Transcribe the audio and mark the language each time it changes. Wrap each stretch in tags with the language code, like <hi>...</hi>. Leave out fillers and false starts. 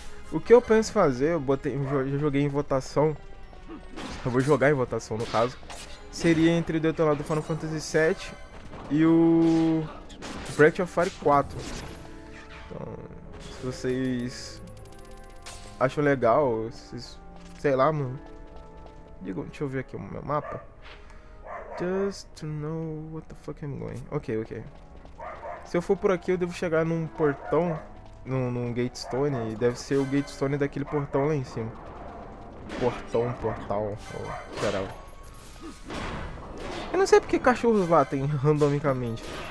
<pt>O que eu penso fazer, eu já joguei em votação, eu vou jogar em votação, no caso, seria entre o Detonado Final Fantasy VII e o Breath of Fire 4. Então, se vocês acham legal, vocês, sei lá, mano, digo, deixa eu ver aqui o meu mapa.</pt> <en>Just to know what the fuck I'm going. Ok, ok.</en> <pt>Se eu for por aqui, eu devo chegar num portão, num gatestone, e deve ser o gatestone daquele portão lá em cima. Portão, portal, ou caralho. não sei porque cachorros latem randomicamente.</pt>